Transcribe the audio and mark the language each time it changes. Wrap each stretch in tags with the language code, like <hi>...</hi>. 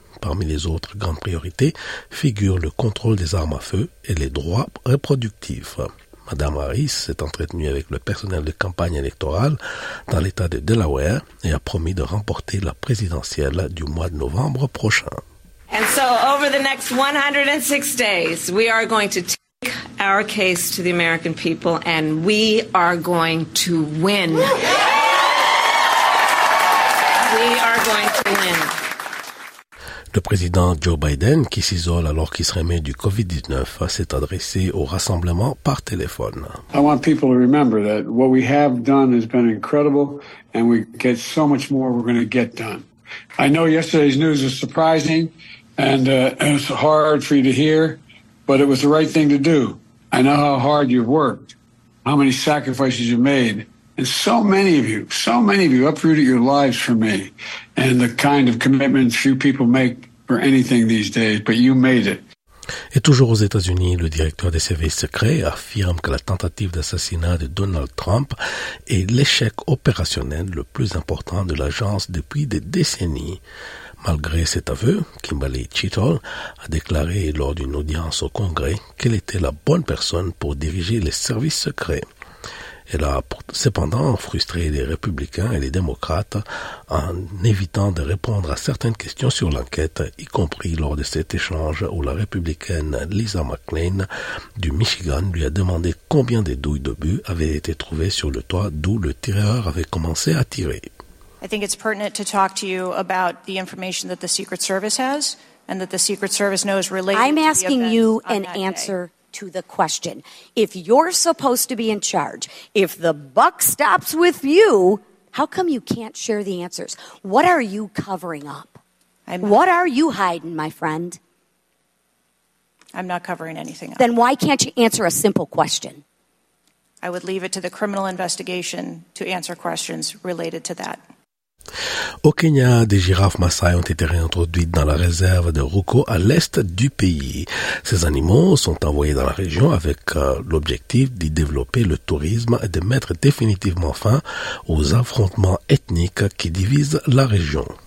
<fr>Parmi les autres grandes priorités figurent le contrôle des armes à feu et les droits reproductifs. Madame Harris s'est entretenue avec le personnel de campagne électorale dans l'État de Delaware et a promis de remporter la présidentielle du mois de novembre prochain.</fr> <en>And so over the next 106 days, we are going to take our case to the American people and we are going to win. We are going to win.</en> <fr>Le président Joe Biden, qui s'isole alors qu'il se remet du Covid-19, s'est adressé au rassemblement par téléphone.</fr> <en>I want people to remember that what we have done has been incredible and we get so much more we're going to get done. I know yesterday's news is surprising and it's hard for you to hear, but it was the right thing to do. I know how hard you've worked, how many sacrifices you've made. And so many of you uprooted your lives for me and the kind of commitments few people make for anything these days, but you made it.</en> <fr>Et toujours aux États-Unis, le directeur des services secrets affirme que la tentative d'assassinat de Donald Trump est l'échec opérationnel le plus important de l'agence depuis des décennies. Malgré cet aveu, Kimberly Chittle a déclaré lors d'une audience au Congrès qu'elle était la bonne personne pour diriger les services secrets. Elle a cependant frustré les républicains et les démocrates en évitant de répondre à certaines questions sur l'enquête, y compris lors de cet échange où la républicaine Lisa McClain du Michigan lui a demandé combien des douilles d'obus avaient été trouvées sur le toit d'où le tireur avait commencé à tirer.</fr> <en>I think it's pertinent to talk to you about the information that the Secret Service has and that the Secret Service knows related. I'm asking you an answer to the question. If you're supposed to be in charge, if the buck stops with you, how come you can't share the answers? What are you covering up? What are you hiding, my friend? I'm not covering anything up. Then why can't you answer a simple question? I would leave it to the criminal investigation to answer questions related to that.</en> <fr>Au Kenya, des girafes Maasai ont été réintroduites dans la réserve de Ruko à l'est du pays. Ces animaux sont envoyés dans la région avec l'objectif d'y développer le tourisme et de mettre définitivement fin aux affrontements ethniques qui divisent la région.</fr>